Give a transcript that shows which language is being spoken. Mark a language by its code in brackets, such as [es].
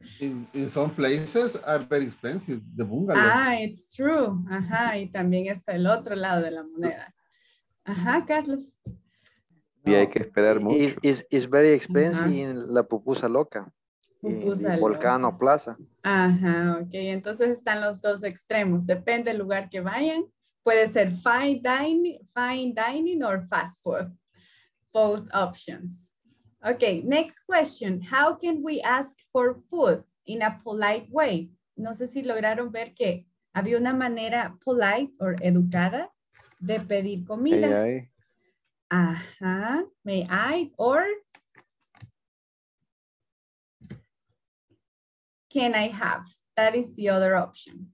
[en] In some places are very expensive, the bungalow. Ah, it's true. [es] Ajá, y también está el otro lado de la moneda. Ajá, Carlos. Y hay que esperar mucho. [en] It's very expensive in La Pupusa Loca. Y Volcano Plaza. [es] Ajá, ok. Entonces están los dos extremos. Depende del lugar que vayan. Puede ser [en] fine dining or fast food. Both options. Ok, next question. How can we ask for food in a polite way? [es] No sé si lograron ver que había una manera polite or educada de pedir comida. [en] May I? Ajá, may I or... Can I have? That is the other option.